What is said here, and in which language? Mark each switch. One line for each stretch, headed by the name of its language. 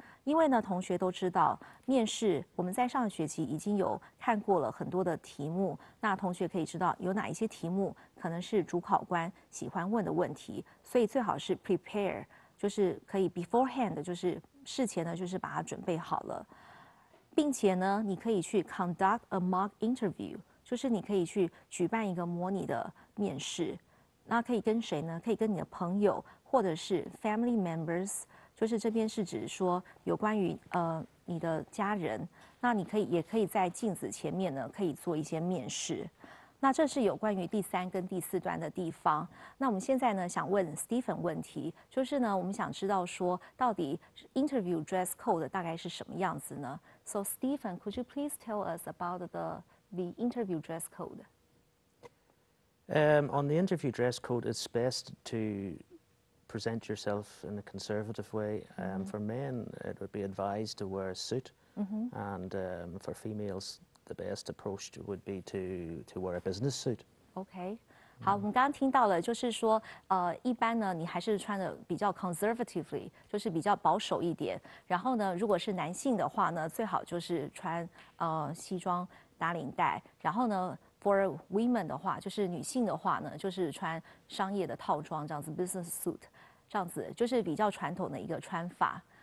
Chinese: 因为呢，同学都知道，面试我们在上学期已经有看过了很多的题目，那同学可以知道有哪一些题目可能是主考官喜欢问的问题，所以最好是 prepare， 就是可以 beforehand， 就是事前呢，就是把它准备好了，并且呢，你可以去
English: conduct a mock interview，
Chinese: 就是你可以去举办一个模拟的面试。那可以跟谁呢？可以跟你的朋友，或者是
English: family members，
Chinese: 就是这边是指说有关于你的家人。那你可以也可以在镜子前面呢，可以做一些面试。那这是有关于第三跟第四段的地方。那我们现在呢，想问 Stephen 问题，就是呢，我们想知道说到底
English: interview dress code
Chinese: 大概是什么样子呢 ？
English: So Stephen, could you please tell us about the interview dress code? On the interview dress code, it's best to present yourself in a conservative way. Mm-hmm. For men, it would be advised to wear a suit. Mm-hmm. And for females, the best approach would be to wear a business suit. Okay.
Chinese: 好，我们刚刚听到了，就是说，一般呢，你还是穿的比较 conservatively， 就是比较保守一点。然后呢，如果是男性的话呢，最好就是穿西装打领带。然后呢 ，
English: for women
Chinese: 的话，就是女性的话呢，就是穿商业的套装这样子 ，
English: business suit，
Chinese: 这样子就是比较传统的一个穿法。